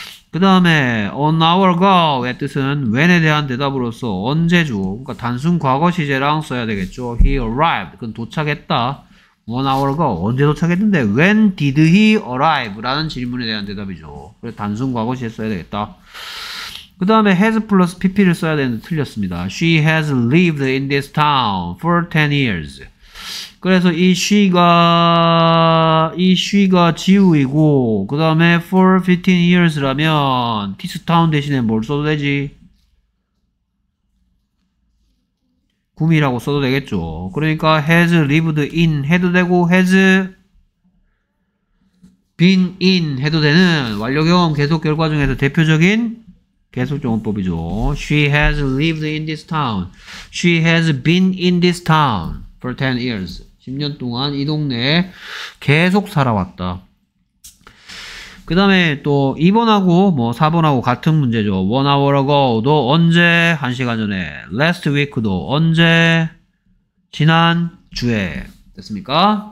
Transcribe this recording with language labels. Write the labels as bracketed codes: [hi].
[ko] 그 다음에 an hour ago의 뜻은 when에 대한 대답으로서 언제죠? 그러니까 단순 과거 시제랑 써야 되겠죠. [en] He arrived. [ko] 그건 도착했다. [en] One hour ago. [ko] 언제 도착했는데 [en] when did he arrive? [ko] 라는 질문에 대한 대답이죠. 그래서 단순 과거 시제 써야 되겠다. 그 다음에 has plus pp를 써야 되는데 틀렸습니다. [en] She has lived in this town for 10 years. [ko] 그래서 이 she가 지우이고 그 다음에 for 15 years라면 this town 대신에 뭘 써도 되지? 구미라고 써도 되겠죠. 그러니까 has lived in 해도 되고 has been in 해도 되는 완료경험 계속 결과 중에서 대표적인 계속적용법이죠. [en] She has lived in this town. She has been in this town for 10 years. [ko] 10년 동안 이 동네에 계속 살아왔다. 그 다음에 또 2번하고 뭐 4번하고 같은 문제죠. [en] One hour ago [ko] 도 언제 1시간 전에 Last week도 언제 지난 주에 됐습니까?